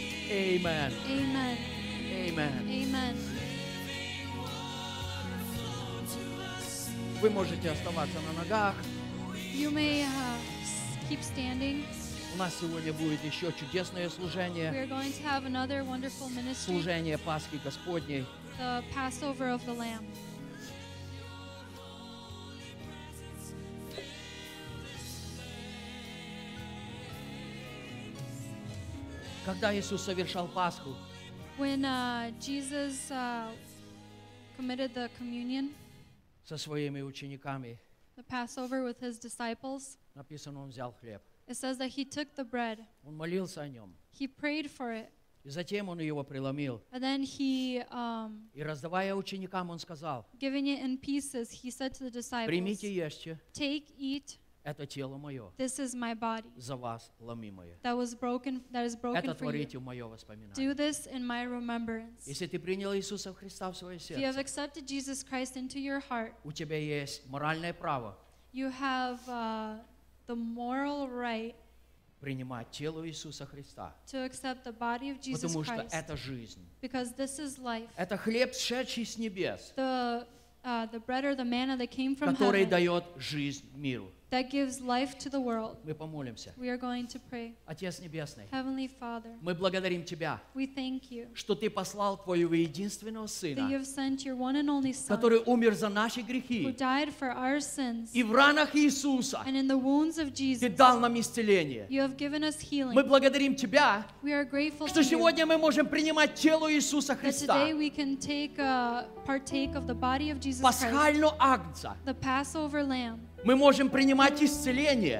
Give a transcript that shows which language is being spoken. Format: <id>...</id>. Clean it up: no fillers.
<en>Amen. Amen. Amen. Amen.</en> <ru>Вы можете оставаться на ногах.</ru> <en>You may, keep standing.</en> <ru>У нас сегодня будет еще чудесное служение.</ru> <en>We are going to have another wonderful ministry.</en> <ru>Служение Пасхи Господней.</ru> <en>The Passover of the Lamb.</en> <ru>Когда Иисус совершал Пасху,</ru> <en>when Jesus committed the communion,</en> <ru>со своими учениками,</ru> <en>the Passover with his disciples,</en> <ru>написано, он взял хлеб.</ru> <en>It says that he took the bread.</en> <ru>Он молился о нем.</ru> <en>He prayed for it.</en> <ru>И затем он его преломил.</ru> <en>And then he,</en> <ru>и раздавая ученикам, он сказал,</ru> <en>giving it in pieces, he said to the disciples,</en> <ru>примите, ешьте.</ru> <en>Take, eat.</en> <ru>Это тело мое.</ru> <en>This is my body.</en> <ru>За вас ломимое.</ru> <en>That was broken, that is broken</en> <ru>это</ru> <en>for</en> <ru>творите</ru> <en>you.</en> <ru>В мое воспоминание.</ru> <en>Do this in my remembrance.</en> <ru>Если ты принял Иисуса Христа в свое сердце,</ru> <en>if you have accepted Jesus Christ into your heart,</en> <ru>у тебя есть моральное право,</ru> <en>you have the moral right,</en> <ru>принимать тело Иисуса Христа,</ru> <en>to accept the body of Jesus</en> <ru>потому</ru> <en>Christ,</en> <ru>что это жизнь.</ru> <en>Because this is life.</en> <ru>Это хлеб, сшедший с небес,</ru> <en>the bread or the manna that came from</en> <ru>который</ru> <en>heaven,</en> <ru>дает жизнь миру.</ru> <en>That gives life to the world.</en> <ru>Мы помолимся.</ru> <en>We are going to pray.</en> <ru>Отец Небесный,</ru> <en>Heavenly Father,</en> <ru>мы благодарим Тебя,</ru> <en>we thank you,</en> <ru>что Ты послал Твоего единственного Сына,</ru> <en>that you have sent your one and only Son,</en> <ru>который умер за наши грехи,</ru> <en>who died for our sins,</en> <ru>и в ранах Иисуса,</ru> <en>and in the wounds of Jesus,</en> <ru>Ты дал нам исцеление.</ru> <en>You have given us healing.</en> <ru>Мы благодарим Тебя,</ru> <en>we are grateful</en> <ru>что сегодня</ru> <en>you,</en> <ru>мы можем принимать тело Иисуса Христа,</ru> <en>that today we can take, partake of the body of Jesus</en> <ru>Christ, пасхального агнца,</ru> <en>the Passover lamb.</en> <ru>Мы можем принимать исцеление</ru>